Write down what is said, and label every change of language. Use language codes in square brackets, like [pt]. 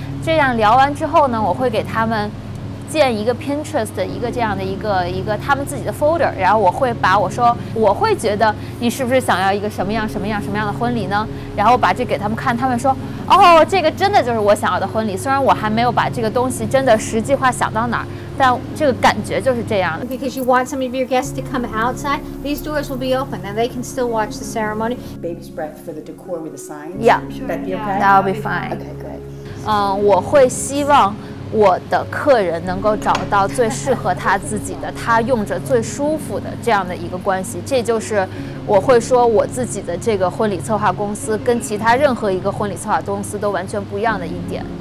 [zh] 这样聊完之后呢，我会给他们建一个 Pinterest 的一个这样的一个他们自己的 folder， 然后我会把我说我会觉得你是不是想要一个什么样什么样什么样的婚礼呢，然后我把这给他们看，他们说哦，这个真的就是我想要的婚礼，虽然我还没有把这个东西真的实际化想到哪儿，但这个感觉就是这样的。 [en] Because you want some of your guests to come outside, these doors will be open and they can still watch the ceremony. Baby's breath for the decor with the signs. Yeah, sure, that'd be okay. That'll be fine. Okay, good. [zh] 我会希望我的客人能够找到最适合他自己的，他用着最舒服的这样的一个关系。这就是我会说我自己的这个婚礼策划公司跟其他任何一个婚礼策划公司都完全不一样的一点。